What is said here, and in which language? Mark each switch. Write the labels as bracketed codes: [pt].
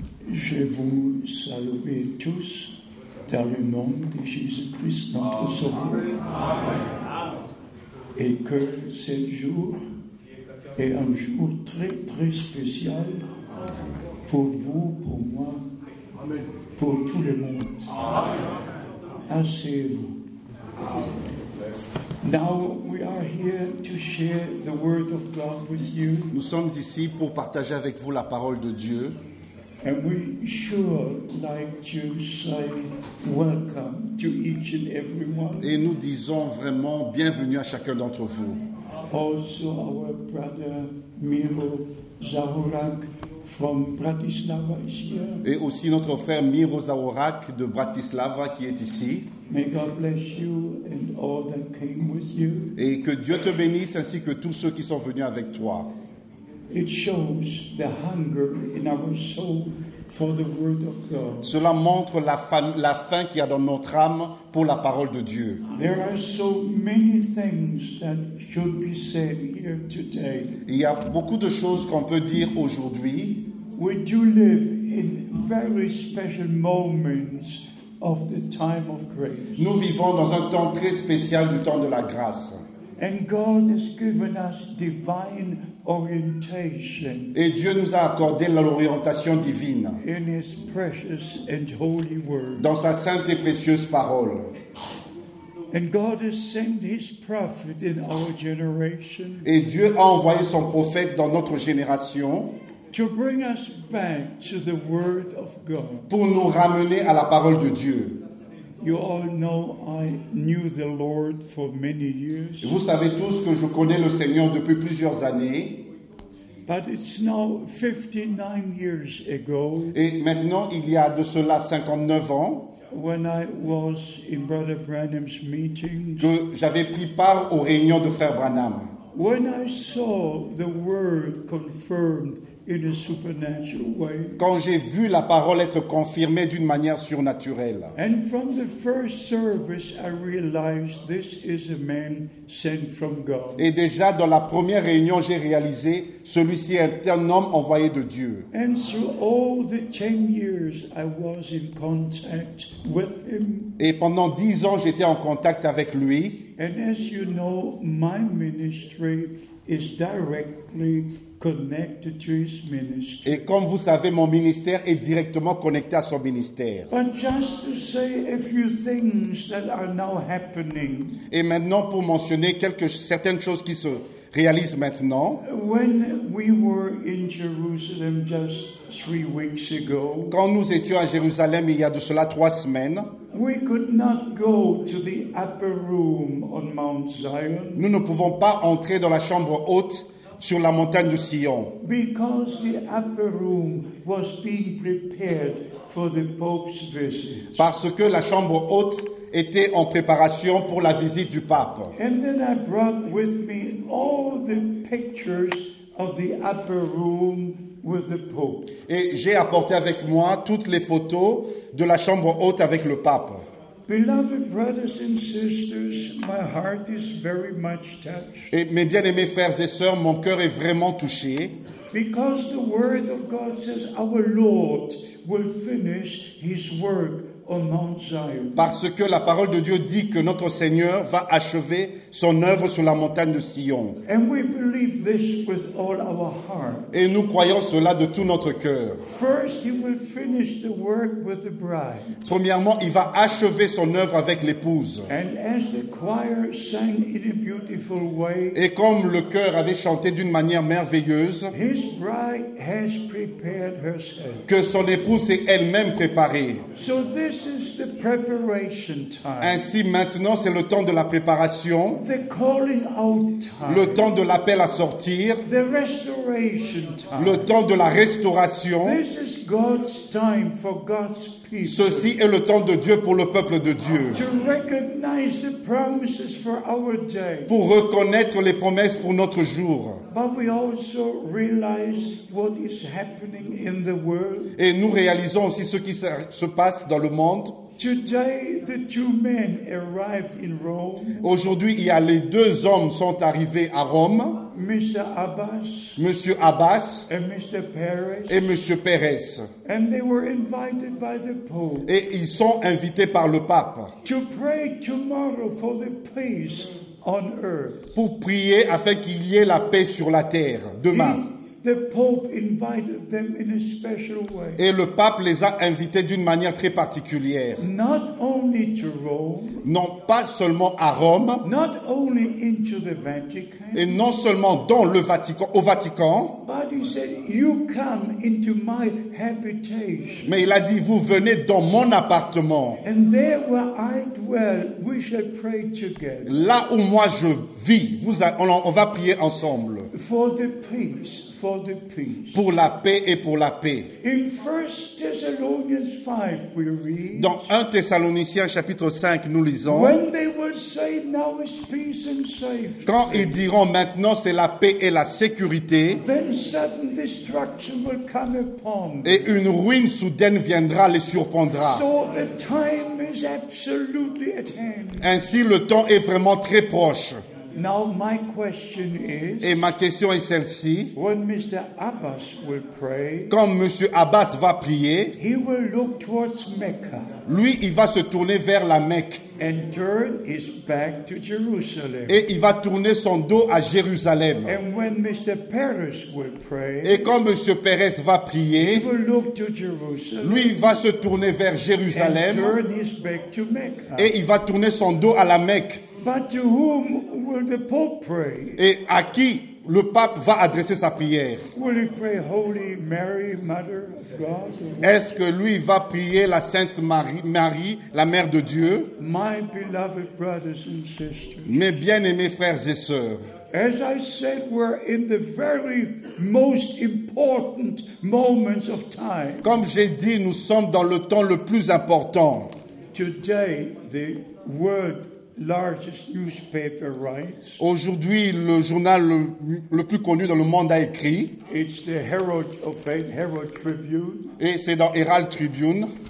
[fr] Je vous salue tous dans le nom de Jésus-Christ, notre Sauveur. Amen. Et que ce jour est un jour très, très spécial pour vous, pour moi, pour tout le monde. Amen. Asseyez-vous. Amen. [en] Now we are here to share the word of God with you. [fr] Nous sommes ici pour partager avec vous la parole de Dieu. [en] And we sure like to say welcome to each and every one. [fr] Et nous disons vraiment bienvenue à chacun d'entre vous. [en] Also our brother Miro Zahorak from Bratislava is here. [fr] Et aussi notre frère Miro Zahorak de Bratislava qui est ici. [en] May God bless you and all that came with you. [fr] Et que Dieu te bénisse ainsi que tous ceux qui sont venus avec toi. [en] It shows the hunger in our soul for the word of God. [fr] Cela montre la faim qu'il y a dans notre âme pour la parole de Dieu. [en] There are so many things that should be said here today. [fr] Il y a beaucoup de choses qu'on peut dire aujourd'hui. [en] We do live in very special moments of the time of grace. [fr] Nous vivons dans un temps très spécial du temps de la grâce. [en] And God has given us divine orientation. [fr] Et Dieu nous a accordé l'orientation divine. [en] In His precious and holy word. [fr] Dans sa sainte et précieuse parole. [en] And God has sent His prophet in our generation. [fr] Et Dieu a envoyé son prophète dans notre génération. [en] To bring us back to the word of God. [fr] Pour nous ramener à la parole de Dieu. [en] You all know I knew the Lord for many years. [fr] Vous savez tous que je connais le Seigneur depuis plusieurs années. [en] But it's now 59 years ago. [fr] Et maintenant, il y a de cela 59 ans. [en] When I was in Brother Branham's meeting. [fr] Que j'avais pris part aux réunions de Frère Branham. [en] When I saw the word confirmed in a supernatural way. [fr] Quand j'ai vu la parole être confirmée d'une manière surnaturelle. [en] And from the first service, I realized this is a man sent from God. [fr] Et déjà dans la première réunion, j'ai réalisé celui-ci est un homme envoyé de Dieu. [en] And through all the 10 years I was in contact with him. [fr] Et pendant 10 ans, j'étais en contact avec lui. [en] And as you know, my ministry is directly connected to his ministry. [fr] Et comme vous savez, mon ministère est directement connecté à son ministère. [en] But just to say a few things that are now happening. [fr] Et maintenant, pour mentionner certaines choses qui se réalisent maintenant. [en] When we were in Jerusalem just 3 weeks ago. [fr] Quand nous étions à Jérusalem il y a de cela 3 semaines. [en] We could not go to the upper room on Mount Zion. [fr] Nous ne pouvons pas entrer dans la chambre haute sur la montagne de Sion. [en] Because the upper room was being prepared for the Pope's visit. [fr] Parce que la chambre haute était en préparation pour la visite du pape. [en] And then I brought with me all the pictures of the upper room with the Pope. [fr] Et j'ai apporté avec moi toutes les photos de la chambre haute avec le pape. [en] Beloved brothers and sisters, my heart is very much touched. [fr] Et mes bien-aimés frères et sœurs, mon cœur est vraiment touché. [en] Because the word of God says our Lord will finish his work on Mount Zion. [fr] Parce que la parole de Dieu dit que notre Seigneur va achever son œuvre sur la montagne de Sion. [en] And we believe this with all our heart. [fr] Et nous croyons cela de tout notre cœur. [en] First, he will finish the work with the bride. [fr] Premièrement, il va achever son œuvre avec l'épouse. [en] And as the choir sang in a beautiful way, [fr] et comme le chœur avait chanté d'une manière merveilleuse, [en] his bride has prepared herself. [fr] Que son épouse s'est elle-même préparée. [en] So this is the preparation time. [fr] Ainsi, maintenant, c'est le temps de la préparation. [en] The calling out time. [fr] Le temps de l'appel à sortir. [en] The restoration time. [fr] Le temps de la restauration. [en] This is God's time for God's people. [fr] Ceci est le temps de Dieu pour le peuple de Dieu. [en] To recognize the promises for our day. [fr] Pour reconnaître les promesses pour notre jour. [en] But we also realize what is happening in the world. [fr] Et nous réalisons aussi ce qui se passe dans le monde. [en] Today, the two men arrived in Rome. [fr] Aujourd'hui, les deux hommes sont arrivés à Rome. [en] Mr. Abbas, [fr] Monsieur Abbas [en] and Mr. Perez, [fr] et Monsieur Perez. [en] And they were invited by the Pope, [fr] et ils sont invités par le Pape [en] to pray tomorrow for the peace on earth. [fr] Pour prier afin qu'il y ait la paix sur la terre demain. [en] The Pope invited them in a special way. [fr] Et le pape les a invités d'une manière très particulière. [en] Not only to Rome, [fr] non pas seulement à Rome. [en] Not only into the Vatican, [fr] et non seulement dans le Vatican, au Vatican. [en] But he said, you come into my habitation. [fr] Mais il a dit, vous venez dans mon appartement. [en] And there where I dwell, we shall pray together. [fr] Là où moi je vis, on va prier ensemble. [en] For the peace. For the peace. [fr] Pour la paix et pour la paix. [en] In 1 Thessalonians 5, we read, [fr] dans 1 Thessaloniciens chapitre 5, nous lisons, [en] when they will say, now is peace and safety, [fr] quand ils diront maintenant c'est la paix et la sécurité, [en] then sudden destruction will come upon them. [fr] Et une ruine soudaine viendra les surprendra. [en] So the time is absolutely at hand. [fr] Ainsi le temps est vraiment très proche. [en] Now my question is, [fr] et ma question est celle-ci. [en] When Mr. Abbas will pray, [fr] quand Monsieur Abbas va prier, [en] he will look towards Mecca. [fr] Lui, il va se tourner vers la Mecque. [en] And turn his back to Jerusalem. [fr] Et il va tourner son dos à Jérusalem. [en] And when Mr. Perez will pray, [fr] et quand M. Perez va prier, [en] he will look to Jerusalem. [fr] Lui, il va se tourner vers Jérusalem. [en] And turn his back to Mecca. [fr] Et il va tourner son dos à la Mecque. [en] But to whom will the Pope pray? [fr] Et à qui le pape va adresser sa prière? [en] Will he pray Holy Mary, Mother of God? [fr] Est-ce que lui va prier la Sainte Marie, la Mère de Dieu? [en] My beloved brothers and sisters, [fr] mes bien-aimés frères et sœurs, [en] as I said, we're in the very most important moments of time. [fr] Comme j'ai dit, nous sommes dans le temps le plus important. [en] Today, the world largest newspaper writes. [fr] Aujourd'hui, le journal le plus connu dans le monde a écrit. [en] It's the Herald Tribune. [fr] Et c'est dans Herald Tribune.